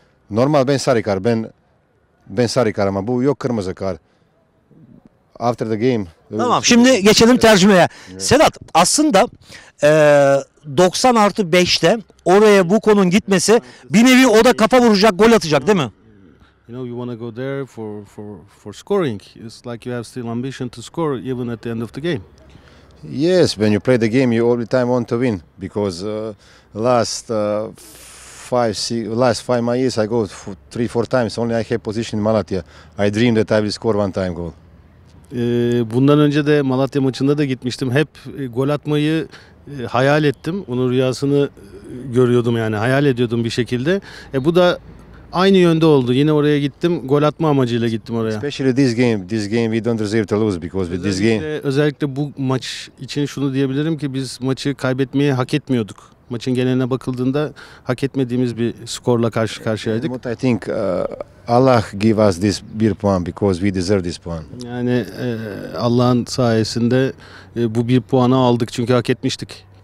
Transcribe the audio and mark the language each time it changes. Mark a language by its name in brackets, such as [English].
[Turkish] Normal ben sarı kart, ben sarı kart ama bu yok kırmızı kart. [English] After the game. [Turkish] Tamam, şimdi geçelim tercümeye. Evet. Sedat, aslında 90 artı 5'te oraya Vuko'nun gitmesi bir nevi, o da kafa vuracak, gol atacak değil mi? [English] You know, you want to go there for scoring. It's like you have still ambition to score even at the end of the game. Yes, when you play the game you all the time want to win because last five years I go for 3-4 times only I have position in Malatya. I dream that I will score one time goal. [Turkish] Bundan önce de Malatya maçında da gitmiştim. Hep gol atmayı hayal ettim. Onun rüyasını görüyordum yani. Hayal ediyordum bir şekilde. Bu da aynı yönde oldu. Yine oraya gittim. Gol atma amacıyla gittim oraya. [English] Especially this game we don't deserve to lose because with this game. [Turkish] Özellikle bu maç için şunu diyebilirim ki biz maçı kaybetmeyi hak etmiyorduk. Maçın geneline bakıldığında hak etmediğimiz bir skorla karşı karşıyaydık. [English] But I think Allah give us this bir puan because we deserve this puan. [Turkish] Yani Allah'ın sayesinde bu bir puanı aldık çünkü hak etmiştik.